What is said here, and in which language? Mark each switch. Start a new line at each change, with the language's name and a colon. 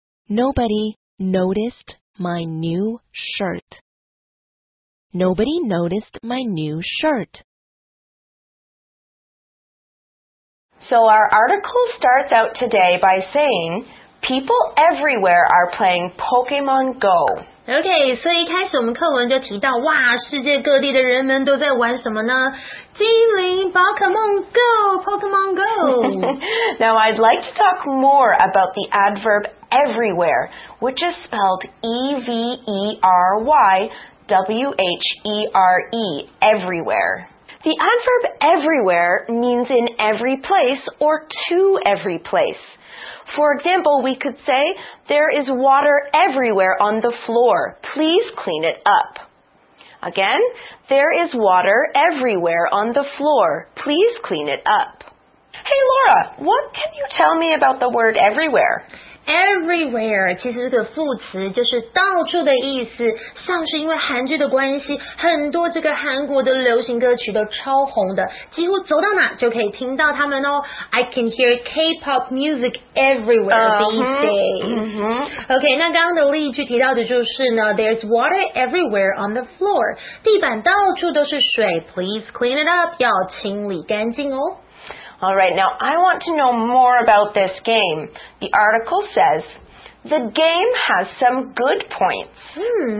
English: Nobody noticed my new shirt. Nobody noticed my new shirt. So our article starts out today by saying, people everywhere are playing Pokemon Go.
Chinese: OK, 所以一开始我们课文就提到，哇，世界各地的人们都在玩什么呢？精灵宝可梦 Go, Pokemon Go.
English: Now I'd like to talk more about the adverb everywhere, which is spelled E-V-E-R-Y-W-H-E-R-E, everywhere. The adverb everywhere means in every place or to every place. For example, we could say, there is water everywhere on the floor. Please clean it up. Again, there is water everywhere on the floor. Please clean it up. Hey, Laura, what can you tell me about the word everywhere?
Chinese: Everywhere 其实是个副词，就是到处的意思。像是因为韩剧的关系，很多这个韩国的流行歌曲都超红的，几乎走到哪就可以听到他们哦。
English: I can hear K-pop music everywhere these days.
Chinese: OK, 那刚刚的例句提到的就是呢 ，
English: There's water everywhere on the floor.
Chinese: 地板到处都是水 ，
English: Please clean it up.
Chinese: 要清理干净哦。
English: All right, now I want to know more about this game. The article says, the game has some good points.